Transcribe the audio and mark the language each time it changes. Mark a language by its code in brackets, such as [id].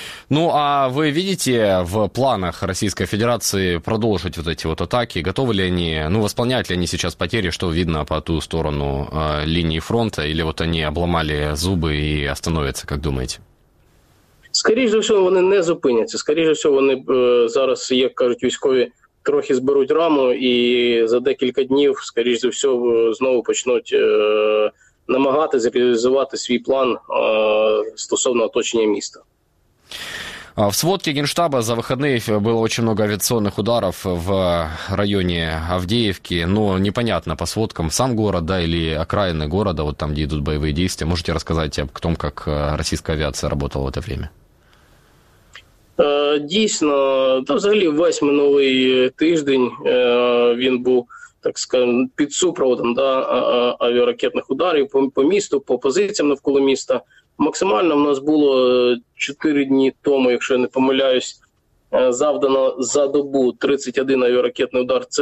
[ru] Ну, а вы видите в планах Российской Федерации продолжить вот эти вот атаки? Готовы ли они, ну, восполняют ли они сейчас потери, что видно по ту сторону линии фронта? Или вот они обломали зубы и остановятся, как думаете? [uk] Скоріше за все, вони не зупиняться. Скоріше за все, вони зараз, як кажуть військові, трохи зберуть раму і за декілька днів, скоріше за все, знову почнуть намагатися реалізувати свій план стосовно оточення міста. [ru] В сводке Генштаба за выходные было очень много авиационных ударов в районе Авдеевки, но непонятно по сводкам, сам город, да, или окраины города, вот там, где идут боевые действия. Можете рассказать о том, как российская авиация работала в это время? [uk] Дійсно, то взагалі весь минулий тиждень він був, [ru] так скажем, [uk] під супроводом, да, авіаракетних ударів по місту, по позиціям навколо міста. Максимально в нас було 4 дні тому, якщо я не помиляюсь, завдано за добу 31 авіаракетний удар.